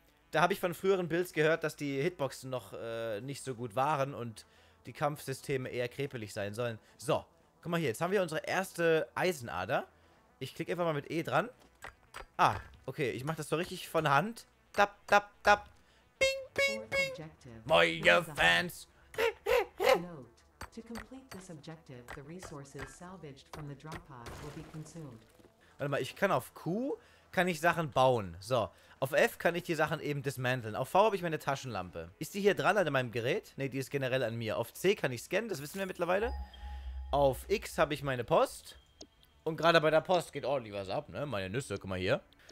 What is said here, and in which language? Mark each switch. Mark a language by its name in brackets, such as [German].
[German] Da habe ich von früheren Builds gehört, dass die Hitboxen noch nicht so gut waren und die Kampfsysteme eher krepelig sein sollen. So, guck mal hier, jetzt haben wir unsere erste Eisenader. Ich klicke einfach mal mit E dran. Ah, okay, ich mache das so richtig von Hand. Tap, tap, tap. Bing, bing, bing. Moje Fans. [English] Note, to complete this objective, the resources salvaged from the drop pod will be consumed. [German] Warte mal, ich kann auf Q, kann ich Sachen bauen. So, auf F kann ich die Sachen eben dismanteln. Auf V habe ich meine Taschenlampe. Ist die hier dran an meinem Gerät? Ne, die ist generell an mir. Auf C kann ich scannen, das wissen wir mittlerweile. Auf X habe ich meine Post. Und gerade bei der Post geht ordentlich was ab, ne? Meine Nüsse, guck mal hier.